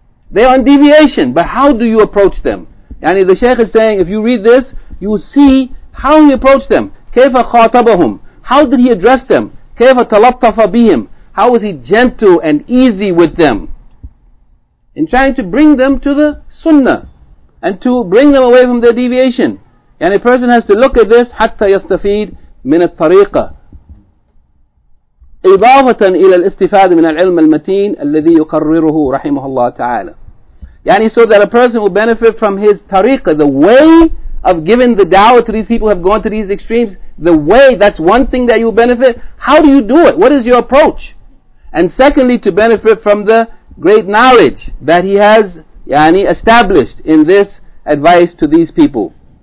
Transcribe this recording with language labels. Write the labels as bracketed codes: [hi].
[en] They are on deviation, but how do you approach them? Yani, the Shaykh is saying, if you read this, you will see how he approached them. [ar] كيف خاطبهم. [en] How did he address them? [ar] كيف تلطف بهم. [en] How was he gentle and easy with them? In trying to bring them to the sunnah and to bring them away from their deviation. And a person has to look at this, [ar] حَتَّى يَسْتَفِيدْ مِنَ الطَّرِيقَةِ إِضَافَةً إِلَى الْإِسْتِفَادِ مِنَ الْعِلْمِ الْمَتِينَ الَّذِي يُقَرِّرُهُ رَحِمُهُ اللَّهُ تَعَالَى. [en] Yani, so that a person will benefit from his tariqah, the way of giving the da'wah to these people who have gone to these extremes, the way, that's one thing that you benefit. How do you do it? What is your approach? And secondly, to benefit from the great knowledge that he has, yani, established in this advice to these people.